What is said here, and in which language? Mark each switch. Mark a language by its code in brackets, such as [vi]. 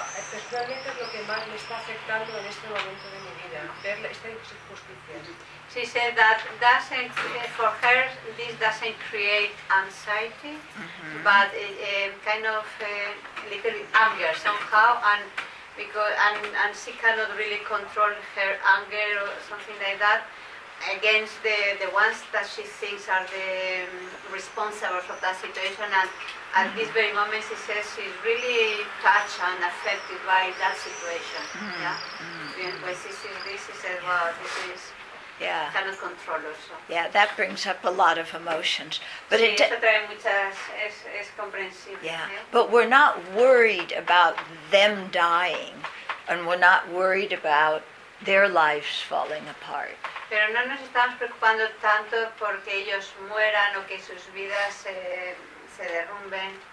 [es] Personalmente es lo que más me está afectando en este momento de mi vida, ver esta injusticia. [en] She said that doesn't, for her, this doesn't create anxiety, but kind of a little anger somehow, and she cannot really control her anger or something like that against the ones that she thinks are the responsible for that situation. And at this very moment, she says she's really touched and affected by that situation. Mm-hmm. Yeah. Mm-hmm. When she sees this, she says, "Wow, this is." Yeah. Cannot control also. Yeah, that brings up a lot of emotions. [es] But sí, eso trae muchas, es comprensible. [en] Yeah. Yeah. But we're not worried about them dying, and we're not worried about their lives falling apart. [es] Pero no nos estamos preocupando tanto porque ellos mueran o que sus vidas se derrumben.